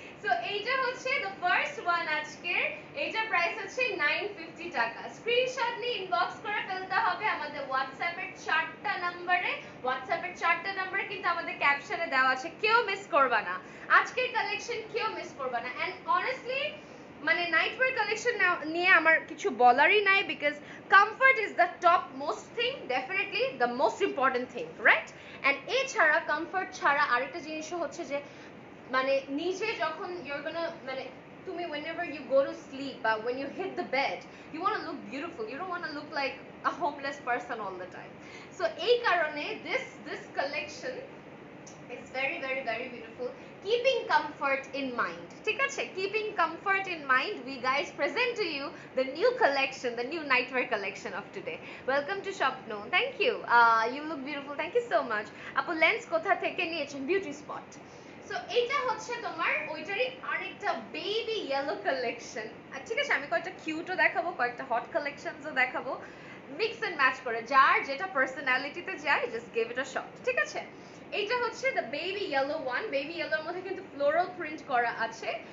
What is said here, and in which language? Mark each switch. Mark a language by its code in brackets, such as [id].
[bn] So এইটা হচ্ছে [en] the first one [bn] আজকের, এইটার প্রাইস হচ্ছে 950 টাকা, স্ক্রিনশট নিয়ে ইনবক্স করে ফেলতে হবে আমাদের হোয়াটসঅ্যাপের চারটা নম্বরে, হোয়াটসঅ্যাপের চারটা নম্বরে কিন্তু আমাদের ক্যাপশনে দেওয়া আছে, কেউ মিস করবা না আজকের কালেকশন, কেউ মিস করবা না। [en] and honestly [bn] মানে নাইটওয়্যার কালেকশন নিয়ে আমার কিছু বলারই নাই, [en] Because comfort is the top most thing, definitely the most important thing, right? [bn] And এছাড়া কমফর্ট ছাড়া আরেকটা জিনিসও হচ্ছে যে মানে নিজে যখন ইউর গোনা মানে তুমি [en] whenever you go to sleep but when you hit the bed you want to look beautiful, you don't want to look like a homeless person all the time. So [bn] এই কারণে [en] this collection is very very very beautiful, keeping comfort in mind. [bn] ঠিক আছে, [en] keeping comfort in mind, we guys present to you the new collection, the new nightwear collection of today. Welcome to Shopno. Thank you, you look beautiful, thank you so much. [bn] আপু lens কোথা থেকে নিয়েছেন? [en] Beauty spot. [bn] তো এইটা হচ্ছে তোমার ওইটারই আরেকটা baby yellow collection. আর ঠিক আছে, আমি কয়েকটা কিউটও দেখাবো, কয়েকটা হট কালেকশনসও দেখাবো, মিক্স এন্ড ম্যাচ করে যার যেটা পার্সোনালিটিতে যায় [en] Just give it a shot. [bn] ঠিক আছে, এইটা হচ্ছে [en] The baby yellow one. [bn] Baby ইয়েলোর মধ্যে কিন্তু ফ্লোরাল প্রিন্ট করা আছে.